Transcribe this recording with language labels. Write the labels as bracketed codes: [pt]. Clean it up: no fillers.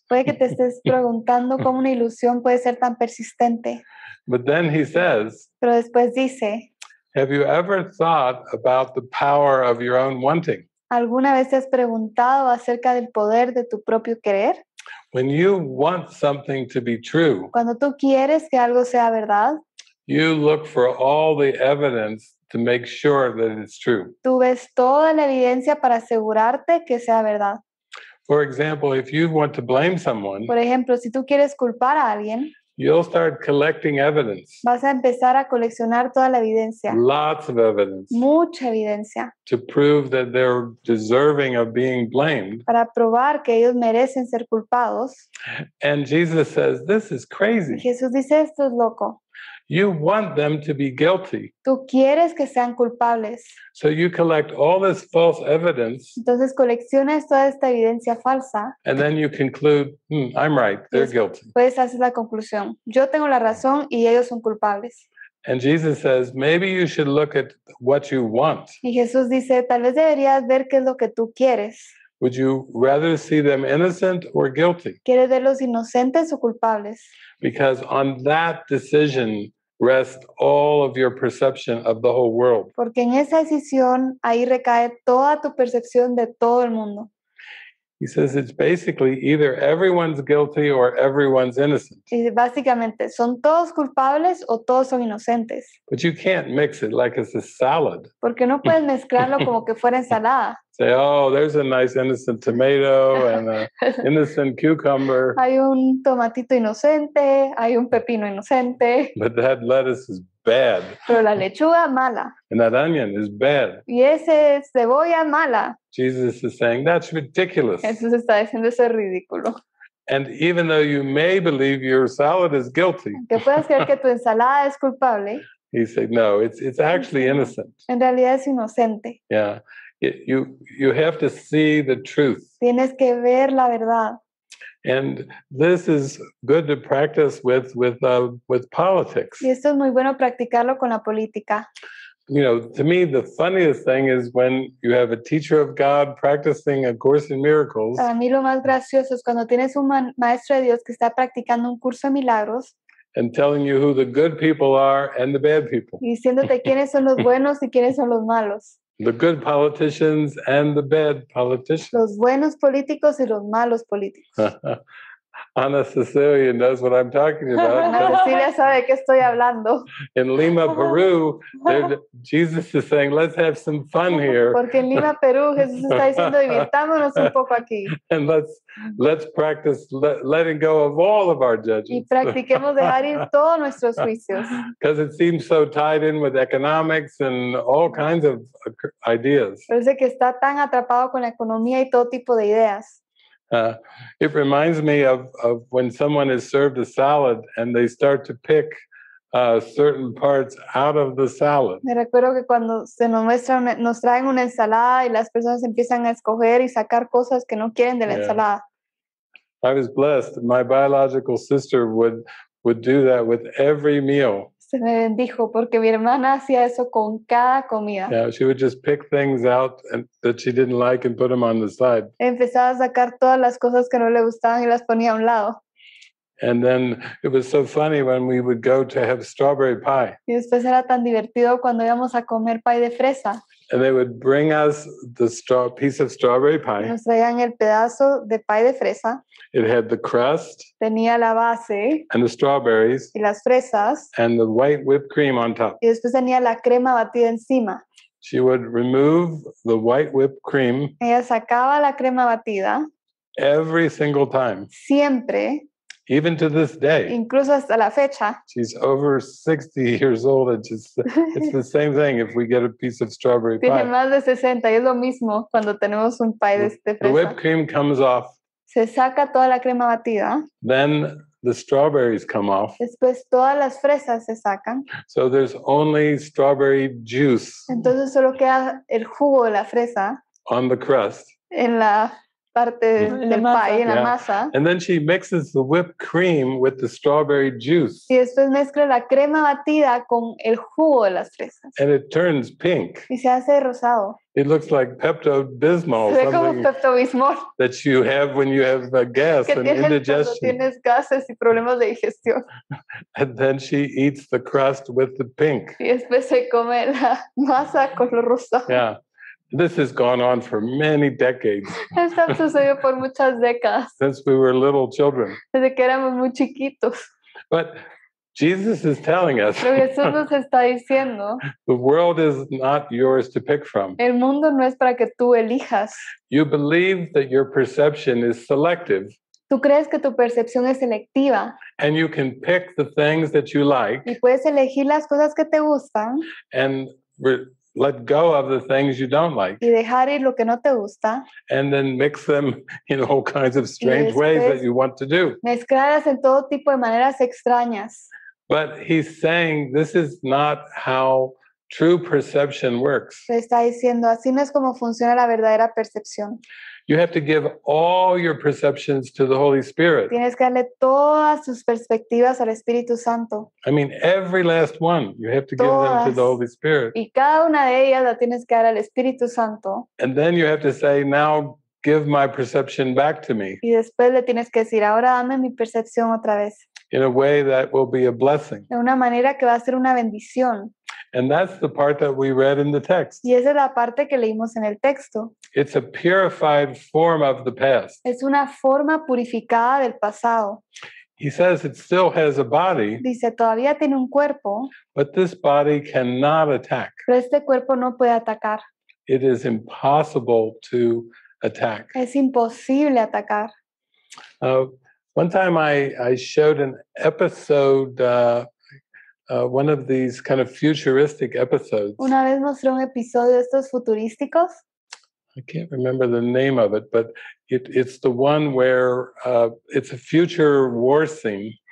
[es] Puede que te estés preguntando cómo una ilusión puede ser tan persistente. [en] But then he says. [es] Pero después dice. [en] Have you ever thought about the power of your own wanting? [es] ¿Alguna vez te has preguntado acerca del poder de tu propio querer? [en] When you want something to be true, [es] cuando tú quieres que algo sea verdad, [en] you look for all the evidence to make sure that it's true. [es] Tú ves toda la evidencia para asegurarte que sea verdad. [en] For example, if you want to blame someone, [es] por ejemplo, si tú quieres culpar a alguien, [en] you'll start collecting evidence. [es] Vas a empezar a coleccionar toda la evidencia. [en] Lots of evidence. [es] Mucha evidencia. [en] To prove that they're deserving of being blamed. [es] Para probar que ellos merecen ser culpados. [en] And Jesus says, "This is crazy." [es] Jesús dice, "Esto es loco." [en] You want them to be guilty. [es] Tú quieres que sean culpables. [en] So you collect all this false evidence. [es] Entonces coleccionas toda esta evidencia falsa. [en] And then you conclude, I'm right, they're guilty. [es] Puedes hacer la conclusión. Yo tengo la razón y ellos son culpables. [en] And Jesus says, maybe you should look at what you want. [es] Y Jesús dice, tal vez deberías ver qué es lo que tú quieres. [en] Would you rather see them innocent or guilty? [es] ¿Quieres verlos inocentes o culpables? [en] Because on that decision rests all of your perception of the whole world. [es] Porque en esa decisión ahí recae toda tu percepción de todo el mundo. [en] He says it's basically either everyone's guilty or everyone's innocent. [es] Y básicamente son todos culpables o todos son inocentes. [en] But you can't mix it like it's a salad. [es] Porque no puedes mezclarlo como que fuera ensalada. [en] Say, oh, there's a nice innocent tomato and an innocent cucumber. [es] Hay un tomatito inocente, hay un pepino inocente. [en] But that lettuce is bad. [es] Pero la lechuga mala. [en] And that onion is bad. [es] Y ese cebolla mala. [en] Jesus is saying, that's ridiculous. [es] Jesús está diciendo, eso es ridículo. [en] And even though you may believe your salad is guilty. [es] Que puedas creer que tu ensalada es culpable. [en] He said, no, it's actually innocent. [es] En realidad es inocente. [en] Yeah. You have to see the truth. [es] Tienes que ver la verdad. [en] And this is good to practice with politics. [es] Y esto es muy bueno practicarlo con la política. [en] You know, to me the funniest thing is when you have a teacher of God practicing A Course in Miracles. [es] Para mí lo más gracioso es cuando tienes un maestro de Dios que está practicando un curso de milagros. [en] And telling you who the good people are and the bad people. [es] Y diciéndote quiénes son los buenos y quiénes son los malos. [en] The good politicians and the bad politicians. [es] Los buenos políticos y los malos políticos. [en] Ana Cecilia knows what I'm talking about. [es] Ana Cecilia sabe qué estoy hablando. [en] In Lima, Peru, Jesus is saying, "Let's have some fun here." [es] Porque en Lima, Perú, Jesús está diciendo, "Divirtámonos un poco aquí." [en] And let's practice letting go of all of our judgments. [es] Y practiquemos dejar ir todos nuestros juicios. [en] Because it seems so tied in with economics and all kinds of ideas. [es] Parece que está tan atrapado con la economía y todo tipo de ideas. [en] It reminds me of when someone is served a salad and they start to pick certain parts out of the salad. [es] Me recuerdo que cuando se nos muestra, nos traen una ensalada y las personas empiezan a escoger y sacar cosas que no quieren de la ensalada. [en] I was blessed. My biological sister would do that with every meal. [es] Se me bendijo porque mi hermana hacía eso con cada comida. [en] Yeah, she would just pick things out that she didn't like and put them on the side. [es] Empezaba a sacar todas las cosas que no le gustaban y las ponía a un lado. [en] And then it was so funny when we would go to have strawberry pie. [es] Y después era tan divertido cuando íbamos a comer pay de fresa. [en] And they would bring us the piece of strawberry pie. [es] Nos traían el pedazo de pay de fresa. [en] It had the crust. [es] Tenía la base. [en] And the strawberries. [es] Y las fresas. [en] And the white whipped cream on top. [es] Y después tenía la crema batida encima. [en] She would remove the white whipped cream. [es] Ella sacaba la crema batida. [en] Every single time. [es] Siempre. [en] Even to this day. [es] Incluso hasta la fecha. [en] She's over 60 years old and it's the same thing if we get a piece of strawberry pie. [es] Tiene más de 60 y es lo mismo cuando tenemos un pie de este fresa. [en] The whipped cream comes off. [es] Se saca toda la crema batida. [en] Then the strawberries come off. [es] Después todas las fresas se sacan. [en] So there's only strawberry juice. [es] Entonces solo queda el jugo de la fresa. [en] On the crust. [es] En la parte del pie, en la masa. [en] And then she mixes the whipped cream with the strawberry juice. [es] Y después mezcla la crema batida con el jugo de las fresas. [en] And it turns pink. [es] Y se hace rosado. [en] It looks like Pepto-Bismol. [es] Se ve como Pepto-Bismol. [en] That you have when you have gas [es] que [en] and indigestion. [es] Cuando tienes gases y problemas de digestión. [en] And then she eats the crust with the pink. [es] Y después se come la masa con lo rosado. [en] Yeah. This has gone on for many decades. [es] Esto ha sucedido por muchas décadas. [en] Since we were little children. [es] Desde que éramos muy chiquitos. [en] But Jesus is telling us. [es] Pero Jesús nos está diciendo. [en] The world is not yours to pick from. [es] El mundo no es para que tú elijas. [en] You believe that your perception is selective. [es] Tú crees que tu percepción es selectiva. [en] And you can pick the things that you like. [es] Y puedes elegir las cosas que te gustan. [en] And let go of the things you don't like. [es] Y dejar ir lo que no te gusta. [en] And then mix them in all kinds of strange ways that you want to do. [es] Mezclarlas en todo tipo de maneras extrañas. [en] But he's saying this is not how true perception works. [es] Está diciendo así no es como funciona la verdadera percepción. [en] You have to give all your perceptions to the Holy Spirit. [es] Tienes que darle todas tus perspectivas al Espíritu Santo. [en] I mean, every last one, you have to [es] todas. [en] Give them to the Holy Spirit. [es] Y cada una de ellas la tienes que dar al Espíritu Santo. [en] And then you have to say, now give my perception back to me. [es] Y después le tienes que decir, ahora dame mi percepción otra vez. [en] In a way that will be a blessing. [es] De una manera que va a ser una bendición. [en] And that's the part that we read in the text. [es] Y esa es la parte que leímos en el texto. [en] It's a purified form of the past. [es] Es una forma purificada del pasado. [en] He says it still has a body. [es] Dice todavía tiene un cuerpo. [en] But this body cannot attack. [es] Pero este cuerpo no puede atacar. [en] It is impossible to attack. [es] Es imposible atacar. [en] One time I showed an episode. One of these kind of futuristic episodes. [es] Una vez mostró un episodio de estos futurísticos. [en] I can't remember the name of it, but it's the one where it's a future war scene.